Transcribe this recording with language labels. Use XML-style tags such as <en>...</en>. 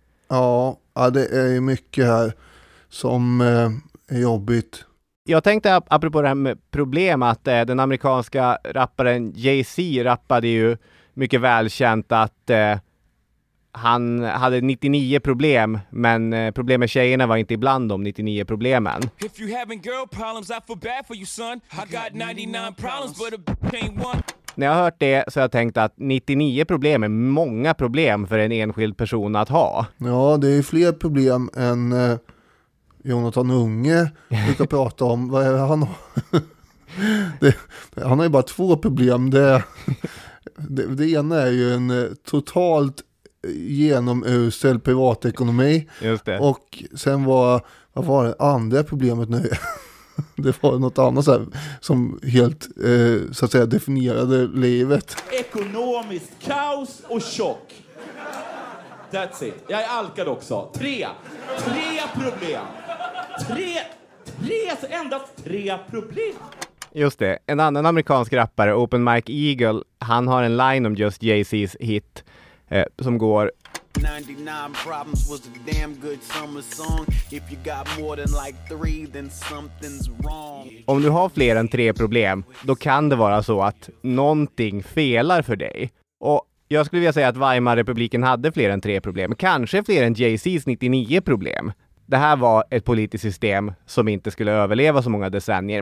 <sv>Ja, det är ju mycket här som är jobbigt. Jag tänkte apropå det här med problem att den amerikanska rapparen Jay-Z rappade ju mycket välkänt att han hade 99 problem, men problem med tjejerna var inte ibland de 99 problemen.</sv> <en>If you having girl problems, I feel bad for you son. I got 99 problems, but a bitch ain't one.</en> <sv>När jag hört det så har jag tänkt att 99 problem är många problem för en enskild person att ha. Ja, det är ju fler problem än Jonathan Unge brukar prata om. Vad är han? Han har ju bara två problem. Det ena är ju en totalt genomusel privatekonomi. Just det. Och sen vad var det andra problemet nu? Det var något annat så här, som helt så att säga definierade livet. Ekonomiskt kaos och chock.</sv> <en>That's it.</en> <sv>Jag är alkad också. Tre problem. Tre problem. Just det, en annan amerikansk rappare, Open Mike Eagle, han har en line om just Jay-Z's hit som går</sv> <en>99 problems was a damn good summer song. If you got more than like three, then something's wrong.</en> <sv>Om du har fler än tre problem, då kan det vara så att någonting felar för dig. Och jag skulle vilja säga att Weimarrepubliken hade fler än tre problem, kanske fler än Jay-Z's 99 problem. Det här var ett politiskt system som inte skulle överleva så många decennier.</sv>